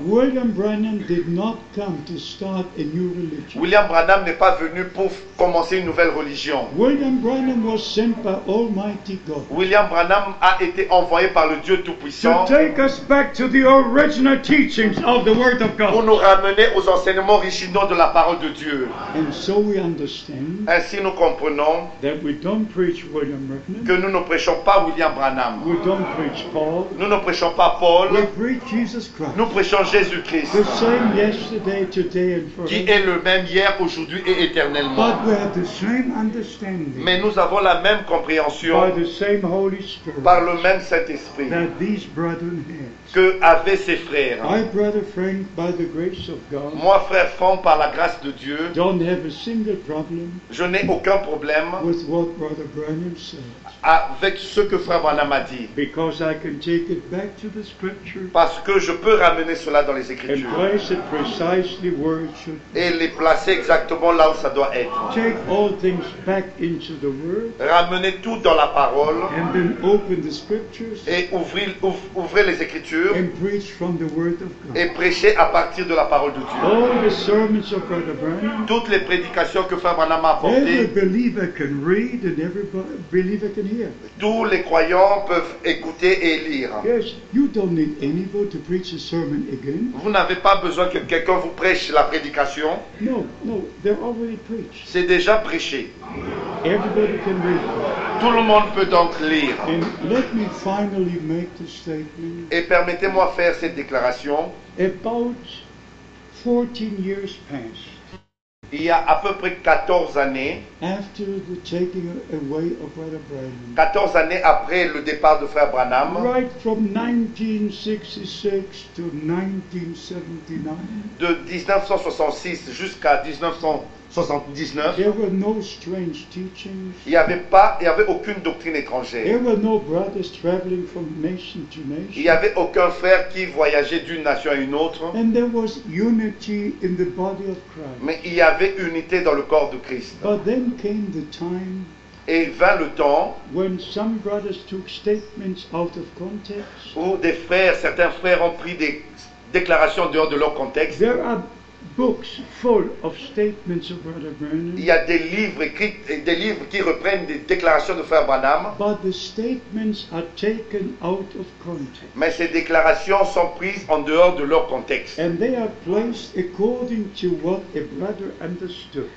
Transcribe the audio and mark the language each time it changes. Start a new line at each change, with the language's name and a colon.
English: William Branham did not come to start a new religion.
French: William Branham n'est pas venu pour commencer une nouvelle religion.
English: William Branham was sent by Almighty God.
French: William Branham a été envoyé par le Dieu Tout-Puissant
English: to take us back to the original teachings of the Word of God.
French: Pour nous ramener aux enseignements de la parole de Dieu.
English: And so we understand,
French: ainsi nous comprenons
English: that we don't preach William Branham,
French: que nous ne prêchons pas William Branham.
English: We don't preach Paul,
French: nous ne prêchons pas Paul.
English: We preach Jesus Christ,
French: nous prêchons Jésus Christ,
English: the same yesterday, today and forever,
French: qui est le même hier, aujourd'hui et éternellement.
English: But we have the same understanding,
French: mais nous avons la même compréhension
English: by the same Holy Spirit,
French: par le même Saint-Esprit
English: that these brethren have.
French: que avaient ses frères.
English: I, brother Frank, by the grace of God,
French: moi, frère Frank, par la grâce de Dieu,
English: don't have a single problem,
French: je n'ai aucun problème
English: with what brother Branham said,
French: avec ce que frère Branham a dit.
English: Because I can take it back to the scripture,
French: parce que je peux ramener cela dans les Écritures
English: and place it precisely where it should be,
French: et les placer exactement là où ça doit être.
English: Take all things back into the word,
French: ramener tout dans la parole
English: and then open the scriptures,
French: et ouvrez les Écritures
English: and preach from the word of God,
French: et prêcher à partir de la parole de Dieu.
English: All the sermons of Brother Branham,
French: toutes les prédications que Frère Branham a apportées,
English: every believer can read and every believer can hear,
French: tous les croyants peuvent écouter et lire.
English: Yes, you don't need anybody to preach a sermon again.
French: Vous n'avez pas besoin que quelqu'un vous prêche la prédication.
English: No, they're already preached.
French: C'est déjà prêché.
English: Everybody can read.
French: Tout le monde peut donc lire.
English: And let me finally make the statement.
French: Et permettez-moi faire cette déclaration.
English: About 14 years past,
French: il y a à peu près 14 années,
English: after the taking away of Brother Branham,
French: 14 années après le départ de Frère Branham,
English: right from 1966 to 1979,
French: de 1966 jusqu'à 1979,
English: there were no strange teachings,
French: il n'y avait aucune doctrine étrangère.
English: There were no brothers traveling from nation to nation.
French: Il n'y avait aucun frère qui voyageait d'une nation à une autre.
English: And there was unity in the body of Christ.
French: Mais il y avait unité dans le corps de Christ.
English: But then came the time,
French: et vint le temps,
English: when some brothers took statements out of context,
French: où certains frères ont pris des déclarations dehors de leur contexte.
English: There are books full of statements of Brother Branham.
French: Il y a des livres écrits et des livres qui reprennent des déclarations de Frère Branham.
English: But the statements are taken out of context.
French: Mais ces déclarations sont prises en dehors de leur contexte.
English: And they are placed according to what a brother understood.